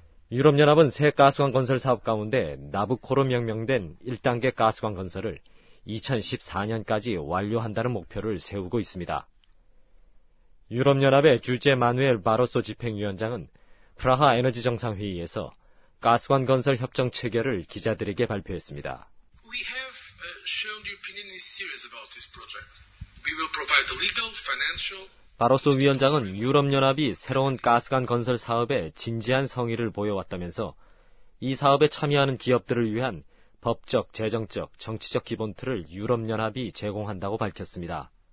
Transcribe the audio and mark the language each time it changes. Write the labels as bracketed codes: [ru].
[ko] 유럽연합은 새 가스관 건설 사업 가운데 나부코로 명명된 1단계 가스관 건설을 2014년까지 완료한다는 목표를 세우고 있습니다. 유럽연합의 주제 마누엘 바로소 집행위원장은 프라하 에너지 정상회의에서 가스관 건설 협정 체결을 기자들에게 발표했습니다. [en] We have shown the opinion is serious about this project. We will provide the legal, financial... [ko] 바로소 위원장은 유럽연합이 새로운 가스관 건설 사업에 진지한 성의를 보여왔다면서 이 사업에 참여하는 기업들을 위한 법적, 재정적, 정치적 기본틀을 유럽연합이 제공한다고 밝혔습니다.